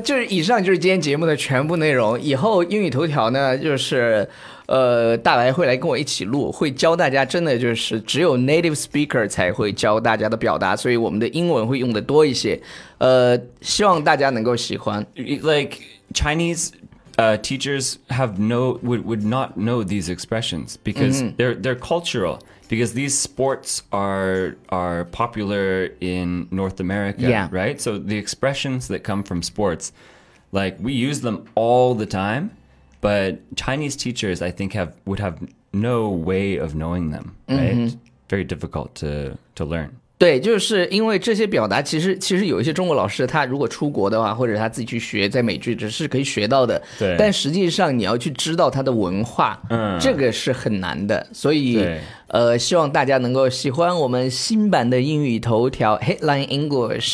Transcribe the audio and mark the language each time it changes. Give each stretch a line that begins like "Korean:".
Chinese: 就是以上就是今天节目的全部内容。以后英语头条呢就是大白会来跟我一起录，会教大家真的就是只有 native speaker 才会教大家的表达，所以我们的英文会用的多一些。希望大家能够喜欢。
English: Like, Chinese... teachers have no would not know these expressions because mm-hmm. they're cultural because these sports are popular in North America yeah. right so the expressions that come from sports like we use them all the time but Chinese teachers I think would have no way of knowing them right mm-hmm. very difficult to learn
Chinese: 对，就是因为这些表达其实有一些中国老师他如果出国的话或者他自己去学在美剧这是可以学到的对但实际上你要去知道他的文化、嗯、这个是很难的所以希望大家能够喜欢我们新版的英语头条 Headline English